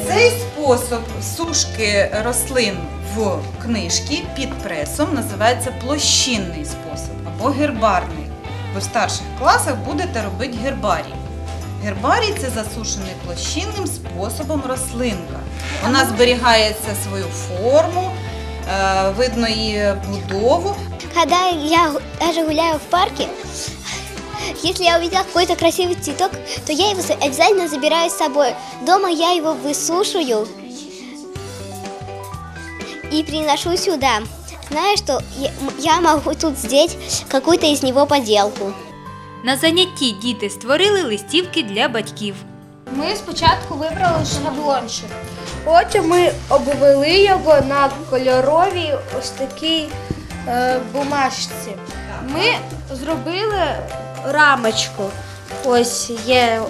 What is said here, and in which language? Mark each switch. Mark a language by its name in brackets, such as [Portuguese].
[Ukrainian] Цей спосіб сушки рослин в книжці під пресом називається площинний спосіб або гербарний. Ви в старших класах будете робити гербарій. Гербарій – це засушений площинним способом рослинка. Вона зберігається свою форму, видно її будову. [Russian] Когда я даже гуляю в парке, если я увидела какой-то красивый цветок, то я его обязательно забираю с собой. Дома я его высушиваю и приношу сюда. Знаю, что я могу тут сделать какую-то из него поделку. [Ukrainian] На занятті діти створили листівки для батьків. Ми спочатку вибрали шаблончик. Потім ми обвели його на кольорові ось такі бумажці. Ми зробили рамочку. Ось є.